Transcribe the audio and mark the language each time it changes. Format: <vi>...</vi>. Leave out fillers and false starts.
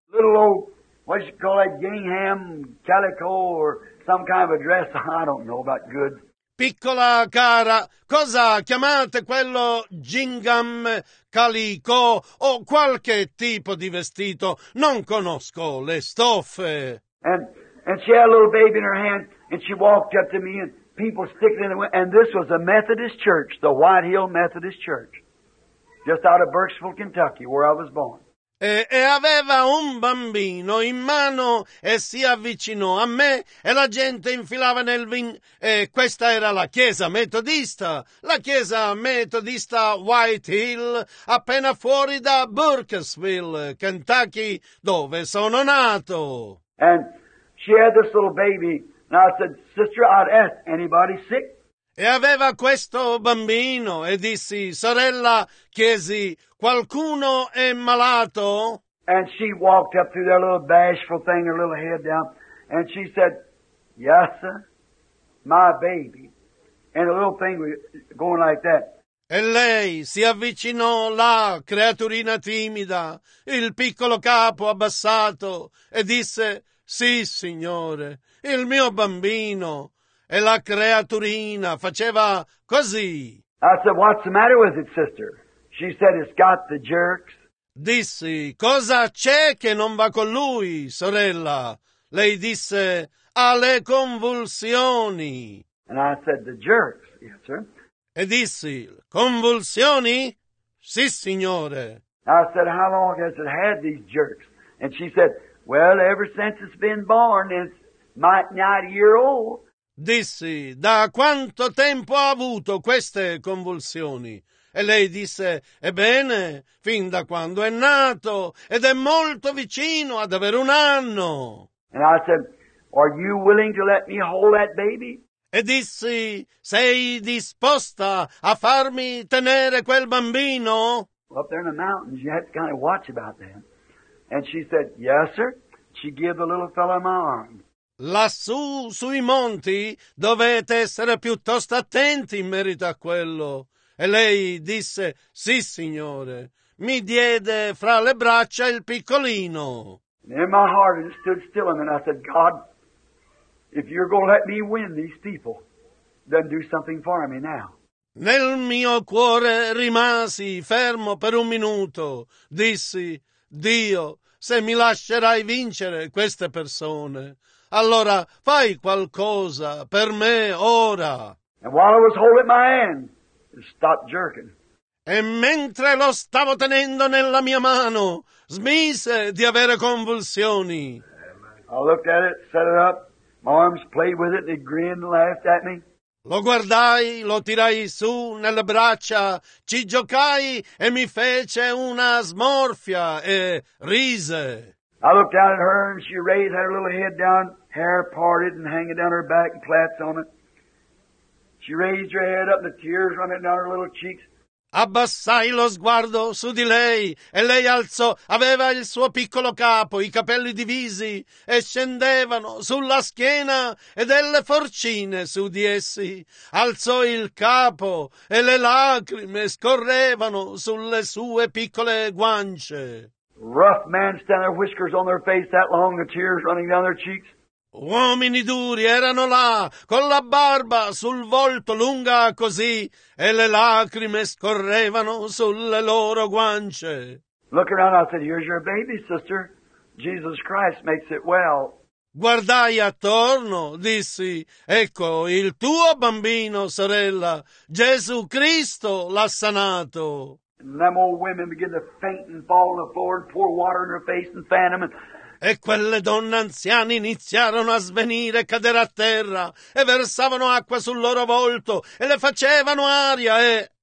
<en>Little old, what you call that, gingham, calico, or some kind of a dress, I don't know about good.</en> <it>Piccola cara, cosa chiamate quello gingham, calico o qualche tipo di vestito. Non conosco le stoffe.</it> <en>And she had a little baby in her hand, and she walked up to me, and people sticking in the window. And this was a Methodist church, the White Hill Methodist Church, just out of Burkesville, Kentucky, where I was born.</en> <it>E aveva un bambino in mano e si avvicinò a me e la gente infilava nel questa era la chiesa metodista, la chiesa metodista White Hill, appena fuori da Burkesville, Kentucky, dove sono nato.</it> <en>And she had this little baby, and I said, sister, I'd ask anybody sick?</en> <it>E aveva questo bambino e dissi, sorella, chiesi, qualcuno è malato?</it> <en>And she walked up through that little bashful thing, her little head down, and she said, yes, sir, my baby. And the little thing was going like that.</en> <it>E lei si avvicinò là, creaturina timida, il piccolo capo abbassato, e disse, sì, signore, il mio bambino. E la creaturina faceva così.</it> <en>I said, what's the matter with it, sister? She said, it's got the jerks.</en> <it>Dissi, cosa c'è che non va con lui, sorella? Lei disse, ha le convulsioni.</it> <en>And I said, the jerks, yes, sir.</en> <it>E dissi, convulsioni? Sì, signore.</it> <en>I said, how long has it had these jerks? And she said, well, ever since it's been born, it's might not a year old.</en> <it>Dissi, da quanto tempo ha avuto queste convulsioni? E lei disse, ebbene, fin da quando è nato, ed è molto vicino ad avere un anno.</it> <en>And I said, are you willing to let me hold that baby?</en> <it>E dissi, sei disposta a farmi tenere quel bambino?</it> <en>Well, up there in the mountains, you have to kind of watch about that. And she said, yes, sir. She gave the little fellow my arm.</en> <it>Lassù, sui monti, dovete essere piuttosto attenti in merito a quello. E lei disse, sì, signore. Mi diede fra le braccia il piccolino.</it> <en>And in my heart it stood still and I said, God, if you're going to let me win these people, then do something for me now.</en> <it>Nel mio cuore rimasi fermo per un minuto. Dissi, Dio, se mi lascerai vincere queste persone, allora fai qualcosa per me ora.</it> <en>And while I was holding my hand, it stopped jerking.</en> <it>E mentre lo stavo tenendo nella mia mano, smise di avere convulsioni.</it> <en>I looked at it, set it up, my arms played with it, and it grinned and laughed at me.</en> <it>Lo guardai, lo tirai su nelle braccia, ci giocai e mi fece una smorfia e rise.</it> <en>I looked down at her and she raised her little head down, hair parted and hanging down her back and plaits on it. She raised her head up and the tears running down her little cheeks.</en> <it>Abbassai lo sguardo su di lei e lei alzò, aveva il suo piccolo capo, i capelli divisi e scendevano sulla schiena e delle forcine su di essi. Alzò il capo e le lacrime scorrevano sulle sue piccole guance.</it> <en>Rough man standing there, whiskers on their face that long, the tears running down their cheeks.</en> <it>Uomini duri erano là, con la barba sul volto lunga così, e le lacrime scorrevano sulle loro guance.</it> <en>Look around, I said, here's your baby, sister. Jesus Christ makes it well.</en> <it>Guardai attorno, dissi, ecco il tuo bambino, sorella. Gesù Cristo l'ha sanato. And them old women begin to faint and fall on the floor and pour water in her face and fan them. E quelle donne anziane iniziarono a svenire e cadere a terra e versavano acqua sul loro volto e le facevano aria e...</it>